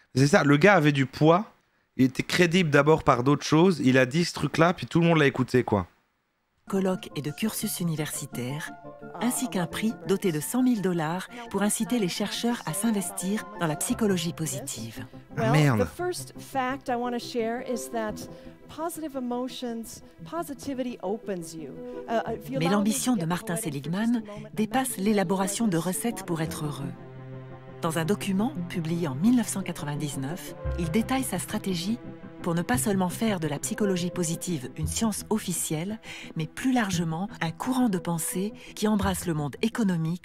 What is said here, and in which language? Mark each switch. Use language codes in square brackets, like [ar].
[fr] C'est ça, le gars avait du poids, il était crédible d'abord par d'autres choses, il a dit ce truc-là, puis tout le monde l'a écouté, quoi. Colloques et de cursus universitaires, ainsi qu'un prix doté de $100,000 pour inciter les chercheurs à s'investir dans la psychologie positive. Ah merde. [en] Well, the first fact I want to share is that positive emotions, positivity opens you. [fr] Mais l'ambition de Martin Seligman dépasse l'élaboration de recettes pour être heureux. Dans un document publié en 1999, il détaille sa stratégie pour ne pas seulement faire de la psychologie positive une science officielle, mais plus largement un courant de pensée qui embrasse le monde économique,